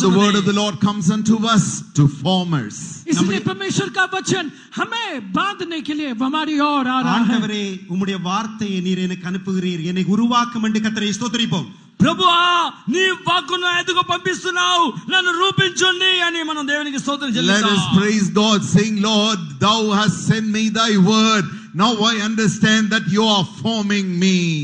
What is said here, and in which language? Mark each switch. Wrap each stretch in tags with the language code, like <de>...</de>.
<en>Therefore the word of the Lord comes unto us to form us.</en> <hi>Isliye parmeshwar ka vachan hame बांधने के लिए हमारी ओर आ रहा है.</hi> <ta>ஆண்டவரே உம்முடைய வார்த்தையை நீர் எனக்கு அனுப்புகிறீர் என்னை உருவாக்கும் என்று கர்த்தரே ஸ்தோத்திரிப்போம்.</ta> <te>ప్రభువా నీ వాక్కును ఎదుగు పంపిస్తున్నావు నన్ను రూపించుండి అని మనం దేవునికి స్తోత్రం చెల్లిస్తాం.</te> <en>Let us praise God saying Lord thou hast sent me thy word now I understand that you are forming me.</en>